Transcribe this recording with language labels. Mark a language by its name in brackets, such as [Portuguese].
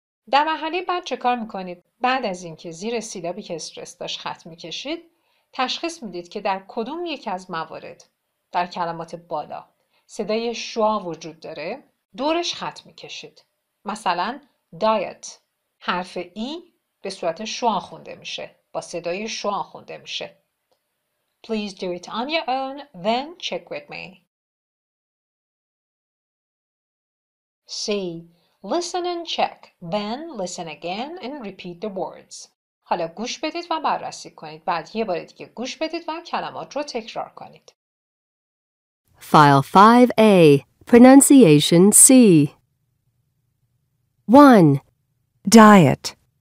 [Persian] در مرحله بعد چه کار میکنید؟ بعد از اینکه زیر سیلابی که استرس داشت خط میکشید تشخیص میدید که در کدوم یک از موارد در کلمات بالا صدای شوا وجود داره دورش خط میکشید. مثلا دایت حرف ای به صورت شوا خونده میشه، با صدای شوا خونده میشه. [English] Please do it on your own, then check with me. C. Listen and check, then listen again and repeat the words. [Persian] حالا گوش بدید و بررسی کنید. بعد یه بار دیگه گوش بدید و کلمات رو تکرار کنید. [English] File 5A. Pronunciation C. 1. Diet.